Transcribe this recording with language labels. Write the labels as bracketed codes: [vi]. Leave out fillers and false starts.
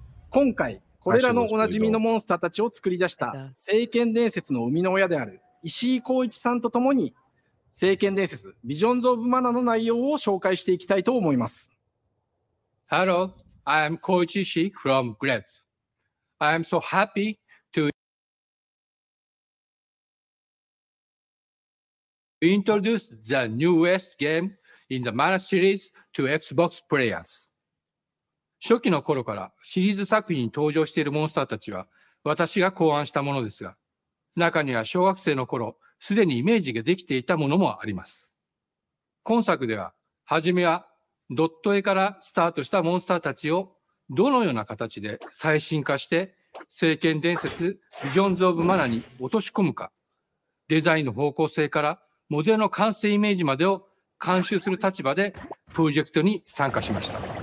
[ja] 今回これらのおなじみのモンスターたちを作り出した聖剣伝説の生みの親である石井浩一さんとともに、聖剣伝説ビジョンズオブマナの内容を紹介していきたいと思います。 [en] ハロー、I am Koichi Ishii from Grebs. I am so happy to introduce the newest game in the Mana series to Xbox players. [ja] 初期の頃からシリーズ作品に登場しているモンスターたちは私が考案したものですが、中には小学生の頃すでにイメージができていたものもあります。今作では初めはドット絵からスタートしたモンスターたちをどのような形で最新化して聖剣伝説ビジョンズオブマナに落とし込むか、デザインの方向性からモデルの完成イメージまでを監修する立場でプロジェクトに参加しました。